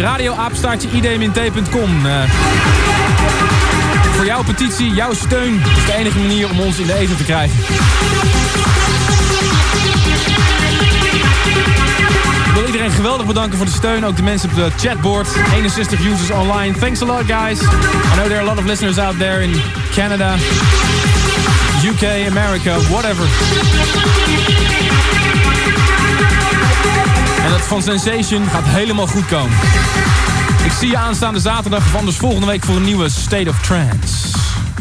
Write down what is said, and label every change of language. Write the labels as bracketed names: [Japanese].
[Dutch] Radio@idmnt.com. Voor jouw petitie, jouw steun, is de enige manier om ons in de ether te krijgen. Ik wil iedereen geweldig bedanken voor de steun. Ook de mensen op de chatboard. 61 users online. [English] Thanks a lot, guys. I know there are a lot of listeners out there in Canada, UK, America, whatever. [Dutch] En dat van Sensation gaat helemaal goed komen. Ik zie je aanstaande zaterdag of anders volgende week voor een nieuwe State of Trance.